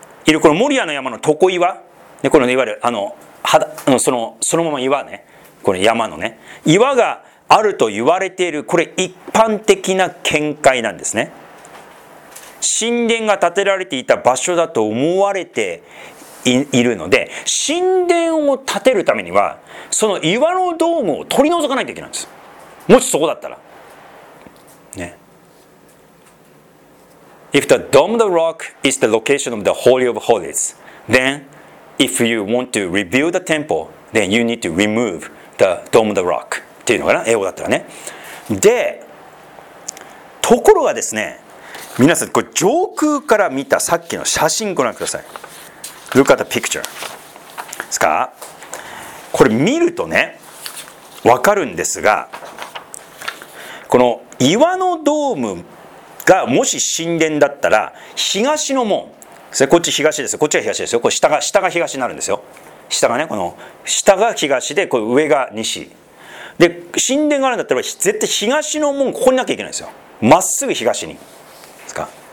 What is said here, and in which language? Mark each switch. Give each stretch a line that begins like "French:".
Japanese: いるこのモリアの山の床岩で、この、ね、いわゆるあの肌のそのそのまま岩ね、これ山のね岩があると言われている、これ一般的な見解なんですね。神殿が建てられていた場所だと思われているので、神殿を建てるためにはその岩のドームを取り除かないといけないんです、もしそこだったら。
English: If the dome of the rock is the location of the Holy of Holies, then if you want to rebuild the temple, then you need to remove the dome of the rock.
Japanese: っていうのかな、英語だったらね。で、ところがですね、皆さん、これ上空から見たさっきの写真ご覧ください。
English: Look at the picture. ですか？
Japanese: これ見るとね、わかるんですが、この岩のドームがもし神殿だったら、東の門、こっち東です、こっちが東ですよ、これ下が東になるんですよ、下がね、この下が東で、これ上が西で、神殿があるんだったら絶対東の門ここになきゃいけないんですよ、まっすぐ東にですか。